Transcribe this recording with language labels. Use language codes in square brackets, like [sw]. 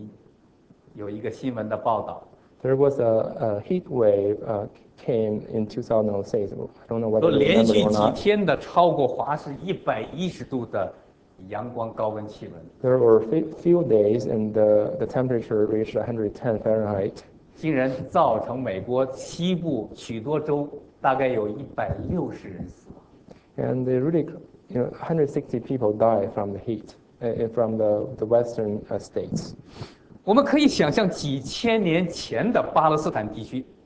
[zh] 我不知道大家记忆不记忆，在2006年8月份有一个新闻的报道。 [en] There was a heat wave came in 2006. I don't know whether you remember or not. [zh] 连续几天的超过华氏110度的阳光高温气温。 [en] There were few days, and the temperature reached 110 Fahrenheit. [zh] 竟然造成美国西部许多州大概有160人死亡。 [en] And they really, 160 people died from the heat, from the western states. [zh] 我们可以想象几千年前的巴勒斯坦地区。